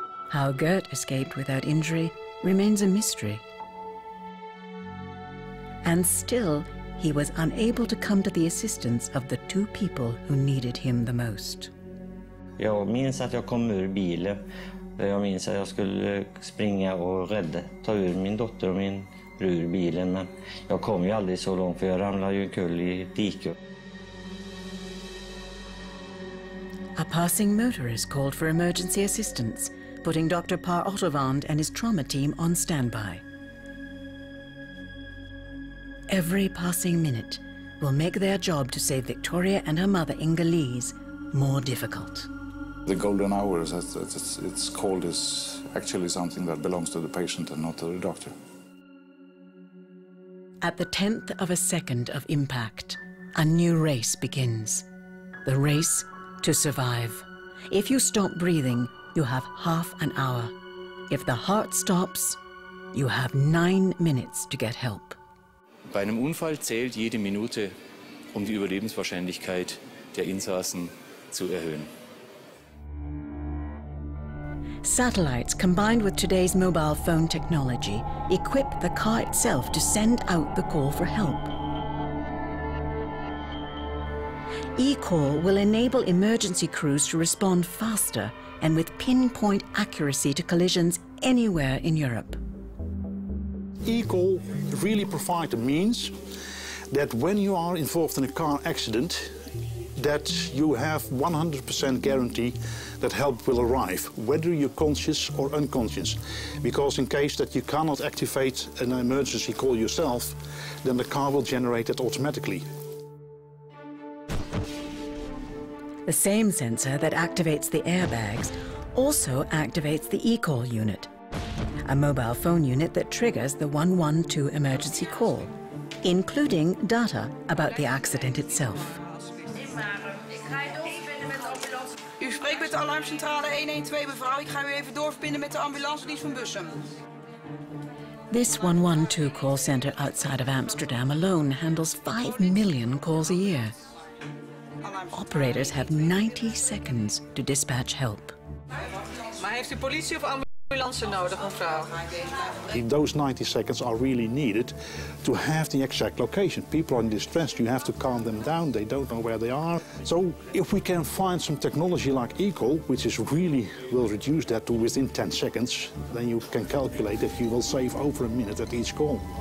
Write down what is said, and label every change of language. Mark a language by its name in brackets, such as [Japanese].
[English] How Gert escaped without injury remains a mystery. And still, he was unable to come to the assistance of the two people who needed him the most. [Swedish] Jag minns att jag kom ur bilen. Jag minns att jag skulle springa och rädda, ta ur min dotter och min fru ur bilen. Men jag kom ju aldrig så långt, för jag ramlade ju omkull i ett dike. [English] A passing motorist called for emergency assistance, putting Dr. Per Ottervand and his trauma team on standby. Every passing minute will make their job to save Victoria and her mother Inga-Lise more difficult. The golden hour, as it's called, is actually something that belongs to the patient and not to the doctor. At the tenth of a second of impact, a new race begins. The race to survive. If you stop breathing, you have half an hour. If the heart stops, you have 9 minutes to get help. [German] Bei einem Unfall zählt jede Minute, um die Überlebenswahrscheinlichkeit der Insassen zu erhöhen. [English] Satellites, combined with today's mobile phone technology, equip the car itself to send out the call for help. E-call will enable emergency crews to respond faster and with pinpoint accuracy to collisions anywhere in Europe. E-call really provides a means that when you are involved in a car accident, that you have 100% guarantee that help will arrive, whether you're conscious or unconscious. Because in case that you cannot activate an emergency call yourself, then the car will generate it automatically. The same sensor that activates the airbags also activates the e-call unit, a mobile phone unit that triggers the 112 emergency call, including data about the accident itself. [Dutch] U spreekt met de alarmcentrale 112, mevrouw. Ik ga u even doorverbinden met de ambulancedienst van Bussum. [English] This 112 call center outside of Amsterdam alone handles 5 million calls a year. Operators have 90 seconds to dispatch help. [Dutch] Maar heeft u politie of ambulance nodig, mevrouw? [English] Those 90 seconds are really needed to have the exact location. People are in distress, you have to calm them down, they don't know where they are. So if we can find some technology like E-call, which is really will reduce that to within 10 seconds, then you can calculate that you will save over a minute at each call.